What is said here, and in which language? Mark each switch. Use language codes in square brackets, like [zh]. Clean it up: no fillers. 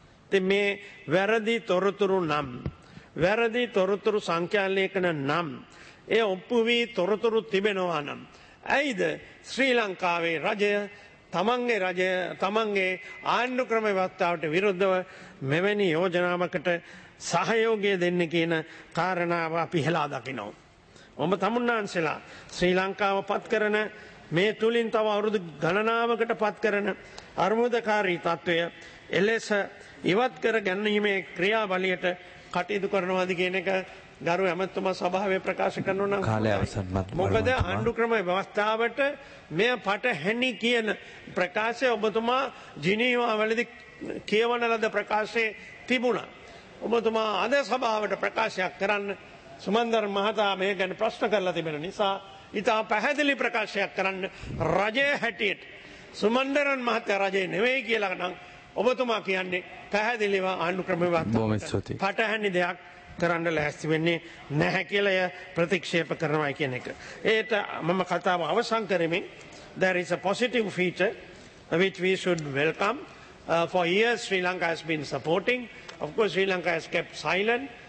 [si] ith me veradi toruturu nam veradi toruturu sankhyalekana nam ඒ ඔප්පු වී තොරතුරු තිබෙනවා නම් ඇයිද ශ්‍රී ලංකාවේ රජය තමන්ගේ ආණ්ඩු ක්‍රම ව්‍යවස්ථාවට විරුද්ධව මෙවැනි යෝජනාවකට සහයෝගය දෙන්නේ කියන කාරණාව අපි හෙලා දකිනවා. ඔබ තමුන්නාන්සලා ශ්‍රී ලංකාව පත්කරන මේ තුලින් තව අවුරුදු ගණනාවකට පත්කරන අර්බුදකාරී තත්වය එලෙස ඉවත් කර ගැනීමේ ක්‍රියාවලියට කටයුතු කරනවාද කියන එක ගරු ඇමතුම සභාවේ ප්‍රකාශ කරනු නම් කාලය අවසන් මත මොකද ආණ්ඩු ක්‍රම ව්‍යවස්ථාවට මෙය පටහැනි කියන ප්‍රකාශය ඔබතුමා ජිනීවාවලදී කියවන ලද ප්‍රකාශයේ තිබුණා ඔබතුමා අද සභාවට ප්‍රකාශයක් කරන්න සුමන්දර මහතා මේ ගැන ප්‍රශ්න කරලා තිබෙන නිසා ඉතා පැහැදිලි ප්‍රකාශයක් කරන්න රජය හැටියට සුමන්දර මහතා රජේ නෙවෙයි කියලා නම් ඔබතුමා කියන්නේ පැහැදිලිව ආණ්ඩු ක්‍රම ව්‍යවස්ථාවට පටහැනි දෙයක් කරන්න ලෑස්ති වෙන්නේ නැහැ කියලා ය ප්‍රතික්ෂේප කරනවා කියන එක. ඒට මම කතාව අවසන් කරමින් [en] there is a positive feature which we should welcome. For years Sri Lanka has been supporting. Of course Sri Lanka has kept silent.